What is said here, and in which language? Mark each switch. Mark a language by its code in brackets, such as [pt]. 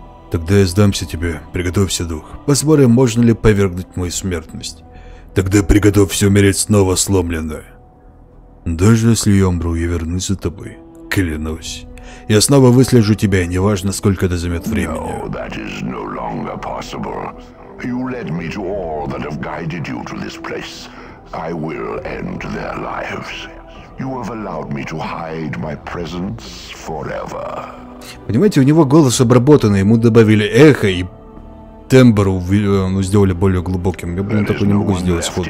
[ru] Тогда я сдамся тебе. Приготовься, дух. Посмотрим, можно ли повергнуть мою смертность. Тогда приготовься умереть снова сломленно. Даже если я умру, я вернусь за тобой. Клянусь. Я снова выслежу тебя, неважно, сколько это займет времени. [en] No, that is no longer possible. You led me to all that have guided you to this place. I will end their lives. You have allowed me to hide my presence forever. [ru] Понимаете, у него голос обработанный, ему добавили эхо и тембр сделали более глубоким. Я, блин, такой не могу сделать сходу.